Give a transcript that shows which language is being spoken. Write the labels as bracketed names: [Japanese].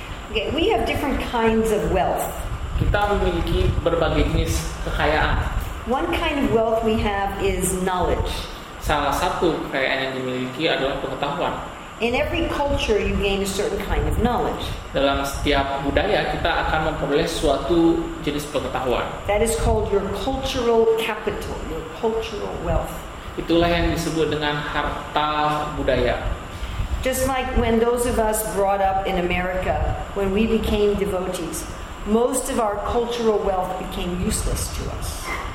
[English] Okay, we have different kinds of wealth. [Indonesian] Kita memiliki berbagai jenis kekayaan. [English] One kind of wealth we have is knowledge. [Indonesian] Salah satu kekayaan yang dimiliki adalah pengetahuan. [English] In every culture you gain a certain kind of knowledge. [Indonesian] Dalam setiap budaya kita akan memperoleh suatu jenis pengetahuan. [English] That is called your cultural capital, your cultural wealth. [Indonesian] Itulah yang disebut dengan harta budaya. [English] Just like when those of us brought up in America, when we became devotees, most of our cultural wealth became useless to us.